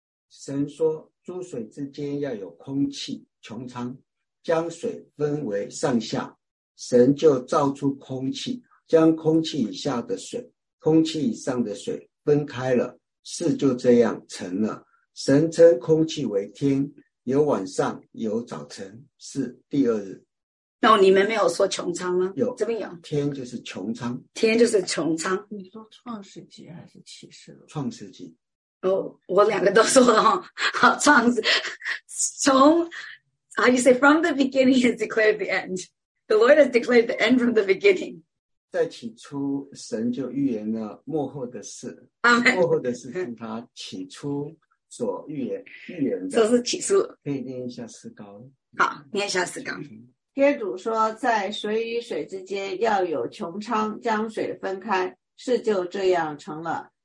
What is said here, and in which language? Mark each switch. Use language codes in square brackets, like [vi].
[zh] 神说诸水之间要有空气，穹苍将水分为上下，神就造出空气，将空气以下的水、空气以上的水分开了，事就这样成了。神称空气为天，有晚上，有早晨，是第二日。那你们没有说穹苍吗？有，这边有。天就是穹苍，天就是穹苍。你说创世纪还是启示录？创世纪。哦，我两个都说了哈。好，创世从 [en] ，How you say from the beginning has declared the end. The Lord has declared the end from the beginning. [zh] 在起初，神就预言了末后的事。 [en] Amen. [zh] 末后的事是他起初所预言的。这是起初。可以念一下诗高。好，念一下诗高。天主说，在水与水之间要有穹苍，将水分开，事就这样成了。